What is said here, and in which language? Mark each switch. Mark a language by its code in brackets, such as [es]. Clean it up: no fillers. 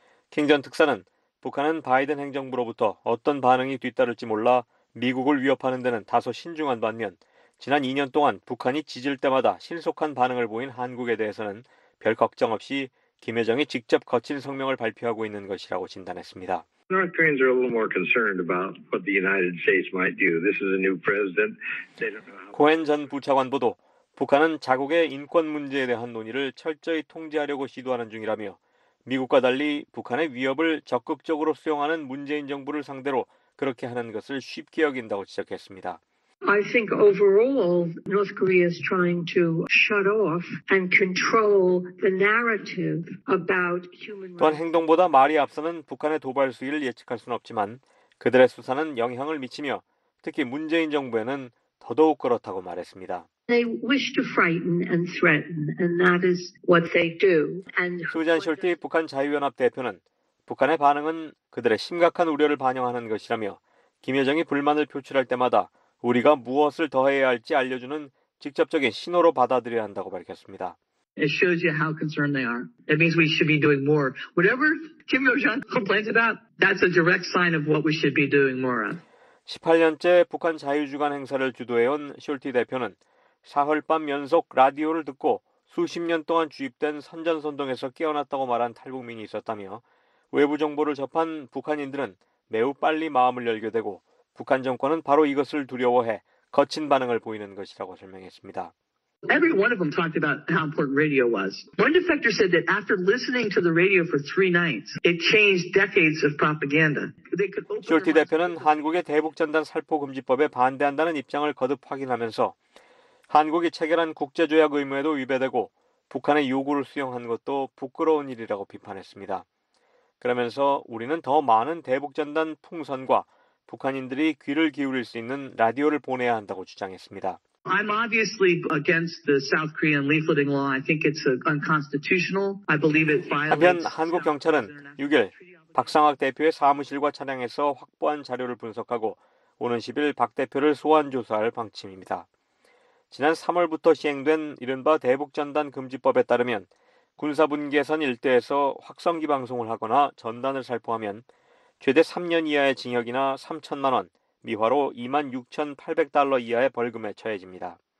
[ko] 킹 전 특사는 북한은 바이든 행정부로부터 어떤 반응이 뒤따를지 몰라 미국을 위협하는 데는 다소 신중한 반면 지난 2년 동안 북한이 지질 때마다 신속한 반응을 보인 한국에 대해서는 별 걱정 없이 김여정이 직접 거친 성명을 발표하고 있는 것이라고 진단했습니다. [en] North Koreans are a little more concerned about what the United States might do. This is a new president. They don't know how. [ko] 코엔 전 부차관 보도 북한은 자국의 인권 문제에 대한 논의를 철저히 통제하려고 시도하는 중이라며 미국과 달리 북한의 위협을 적극적으로 수용하는 문재인 정부를 상대로 그렇게 하는 것을 쉽게 여긴다고 지적했습니다. [en] I think overall North Korea is trying to shut off and control the narrative about human rights. [ko] 또한 행동보다 말이 앞서는 북한의 도발 수위를 예측할 수는 없지만 그들의 수사는 영향을 미치며 특히 문재인 정부에는 더더욱 그렇다고 말했습니다. [en] They wish to frighten and threaten, and that is what they do. [ko] 수잔 숄티 북한 자유연합 대표는 북한의 반응은 그들의 심각한 우려를 반영하는 것이라며 김여정이 불만을 표출할 때마다 우리가 무엇을 더해야 할지 알려주는 직접적인 신호로 받아들여야 한다고 밝혔습니다. [en] It shows you how concerned they are. It means we should be doing more. Whatever Kim Yo-jong complains about, that's a direct sign of what we should be doing more of. [ko] 18년째 북한 자유주간 행사를 주도해온 숄티 대표는 사흘 밤 연속 라디오를 듣고 수십 년 동안 주입된 선전선동에서 깨어났다고 말한 탈북민이 있었다며 외부 정보를 접한 북한인들은 매우 빨리 마음을 열게 되고 북한 정권은 바로 이것을 두려워해 거친 반응을 보이는 것이라고 설명했습니다. [en] Every one of them talked about how important radio was. One defector said that after listening to the radio for three nights, it changed decades of propaganda. [ko] 숄티 대표는 한국의 대북 전단 살포 금지법에 반대한다는 입장을 거듭 확인하면서 한국이 체결한 국제조약 의무에도 위배되고 북한의 요구를 수용한 것도 부끄러운 일이라고 비판했습니다. 그러면서 우리는 더 많은 대북전단 풍선과 북한인들이 귀를 기울일 수 있는 라디오를 보내야 한다고 주장했습니다. [en] I'm obviously against the South Korean leafleting law. I think it's unconstitutional. I believe it violates. [ko] 한편 한국 경찰은 6일 박상학 대표의 사무실과 차량에서 확보한 자료를 분석하고 오는 10일 박 대표를 소환 조사할 방침입니다. 지난 3월부터 시행된 이른바 대북전단 금지법에 따르면 군사분계선 일대에서 확성기 방송을 하거나 전단을 살포하면 최대 3년 이하의 징역이나 3천만 원, 미화로 $26,800 이하의 벌금에 처해집니다.